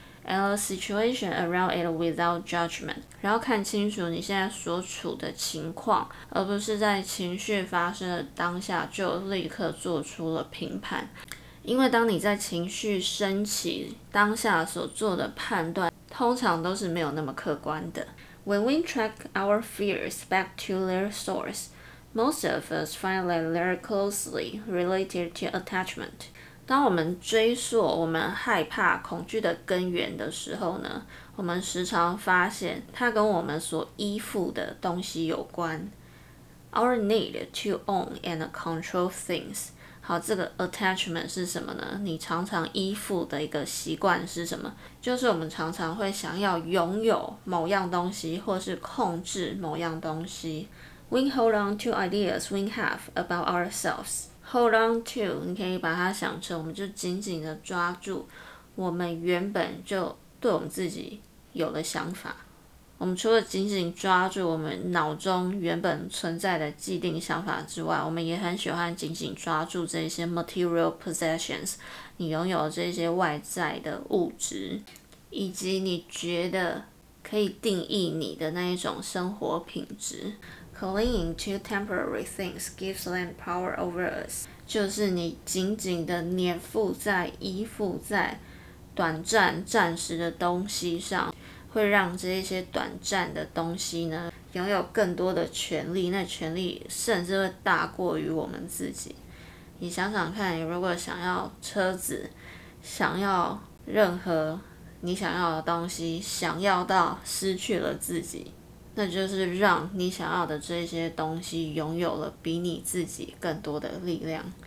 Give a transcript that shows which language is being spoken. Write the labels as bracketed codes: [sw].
[en] and the situation around it without judgment， [zh] 然后看清楚你现在所处的情况，而不是在情绪发生的当下就立刻做出了评判。因为当你在情绪升起当下所做的判断通常都是没有那么客观的。 [en] When we track our fears back to their sourceMost of us find that they're closely related to attachment. [zh] 当我们追溯我们害怕恐惧的根源的时候呢，我们时常发现它跟我们所依附的东西有关。 [en] Our need to own and control things. [zh] 好，这个 attachment 是什么呢？你常常依附的一个习惯是什么？就是我们常常会想要拥有某样东西，或是控制某样东西。 [en] We hold on to ideas we have about ourselves. Hold on to， [zh] 你可以把它想成我们就紧紧的抓住我们原本就对我们自己有的想法。我们除了紧紧抓住我们脑中原本存在的既定想法之外，我们也很喜欢紧紧抓住这些 material possessions， 你拥有这些外在的物质，以及你觉得可以定义你的那一种生活品质。 [en] Clinging to temporary things gives them power over us. [zh] 就是你紧紧的黏附在、依附在短暂、暂时的东西上，会让这些短暂的东西呢拥有更多的权力，那权力甚至会大过于我们自己。你想想看，你如果想要车子，想要任何你想要的东西，想要到失去了自己，那就是让你想要的这些东西拥有了比你自己更多的力量。